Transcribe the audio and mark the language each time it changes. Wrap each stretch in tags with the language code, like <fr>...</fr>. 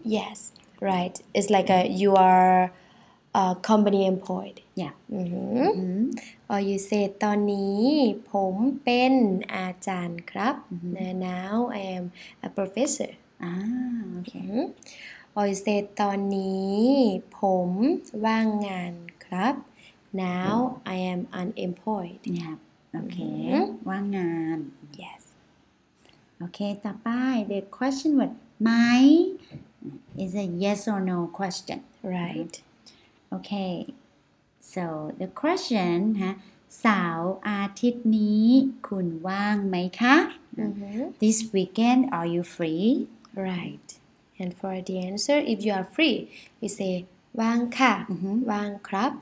<en>Yes, right It's like a, you are a company employed Yeah mm-hmm. Mm-hmm.</en> <th>Or you say ตอนนี้ผมเป็นอาจารย์ครับ mm-hmm.</th> <en>Now I am a professor Ah, okay mm-hmm. Or you say,</en> <th>ตอนนี้ผมว่างงานครับ</th> <en>Now I am unemployed. Yeah. Okay. Mm-hmm. ว่างงาน. Yes. Okay, ต่อไป. The question was, my is a yes or no question. Right. Okay.</en> <th>So, the question, สาวอาทิตย์นี้คุณว่างไหมคะ? Mm-hmm.</th> <en>This weekend, are you free? Right. And for the answer, if you are free, we say</en> <th>ว่างค่ะ ว่างครับ</th>